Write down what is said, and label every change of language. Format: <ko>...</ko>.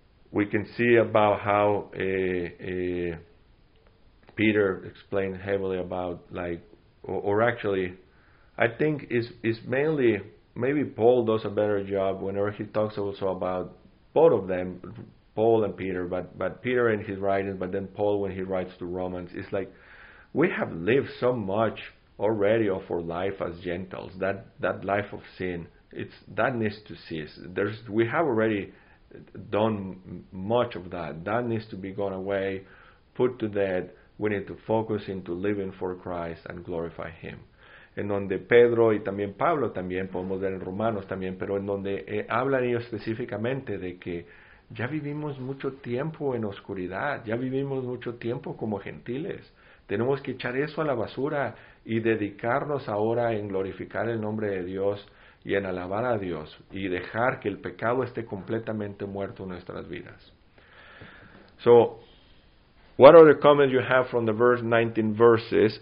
<en>we can see about how Peter explained heavily about, like, or actually, I think is mainly, maybe Paul does a better job whenever he talks also about both of them, Paul and Peter, but Peter in his writings, but then Paul when he writes to Romans, it's like, we have lived so much already of our life as Gentiles, that life of sin, it's that needs to cease. We have already done much of that. That needs to be gone away, put to death. We need to focus into living for Christ and glorify Him.</en> <es>En donde Pedro y también Pablo también, podemos ver en Romanos también, pero en donde hablan ellos específicamente de que ya vivimos mucho tiempo en oscuridad, ya vivimos mucho tiempo como gentiles. Tenemos que echar eso a la basura y dedicarnos ahora en glorificar el nombre de Dios y en alabar a Dios y dejar que el pecado esté completamente muerto en nuestras vidas.</es> <en>So, what are the comments you have from the verse 19 verses?</en>